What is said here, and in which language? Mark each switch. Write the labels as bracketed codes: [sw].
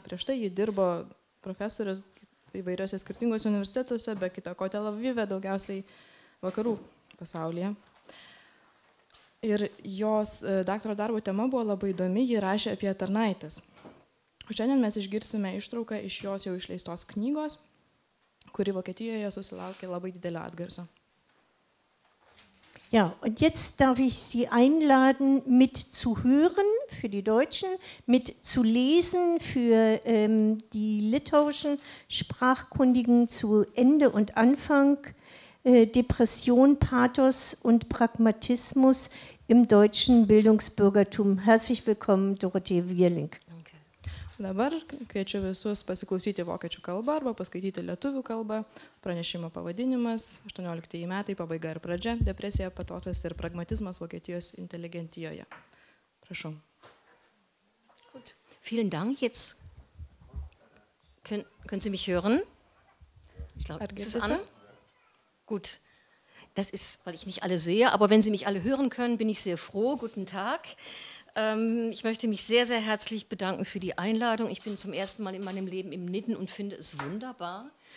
[lt] Prieš tai ji dirbo profesorės įvairiose skirtingose universitetuose, be kita ko Tel Avive, daugiausiai vakarų pasaulyje. Ir jos daktaro darbo tema buvo labai įdomi, ji rašė apie tarnaitės. Šiandien mes išgirsime ištrauką iš jos jau išleistos knygos, kuri Vokietijoje susilaukė labai didelio atgarsio. [de] Ja, und jetzt darf ich Sie einladen, mitzuhören für die Deutschen, mitzulesen für die litauischen Sprachkundigen zu Ende und Anfang, Depression, Pathos und Pragmatismus im deutschen Bildungsbürgertum. Herzlich willkommen, Dorothee Wirling. [lt] Dabar kviečiu visus pasiklausyti vokiečių kalbą arba paskaityti lietuvių kalbą. Pranešimo pavadinimas, 18 metai, pabaiga ir pradžia, depresija, patosas ir pragmatizmas Vokietijos inteligentijoje. Prašau. [de] Gut. Vielen Dank. Jetzt können Sie mich hören? Ich glaube, es ist an. Gut. Das ist, weil ich nicht alle sehe, aber wenn Sie mich alle hören können, bin ich sehr froh. Guten Tag. Ich möchte mich sehr, sehr herzlich bedanken für die Einladung. Ich bin zum ersten Mal in meinem Leben im Nidden und finde es wunderbar.